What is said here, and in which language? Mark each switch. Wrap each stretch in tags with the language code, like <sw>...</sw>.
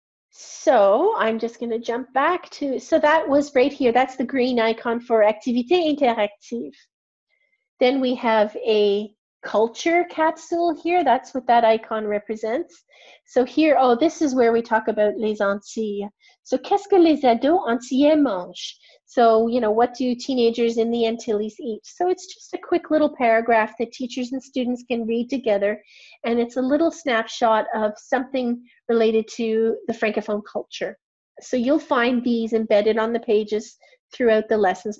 <en>So I'm just going to jump back to, so that was right here. That's the green icon for activité interactive. Then we have a culture capsule here. That's what that icon represents. So here, oh, this is where we talk about les Antilles.</en> <fr>So qu'est-ce que les ados antillais mangent?</fr> <en>So, you know, what do teenagers in the Antilles eat? So it's just a quick little paragraph that teachers and students can read together. And it's a little snapshot of something related to the Francophone culture. So you'll find these embedded on the pages throughout the lessons.</en>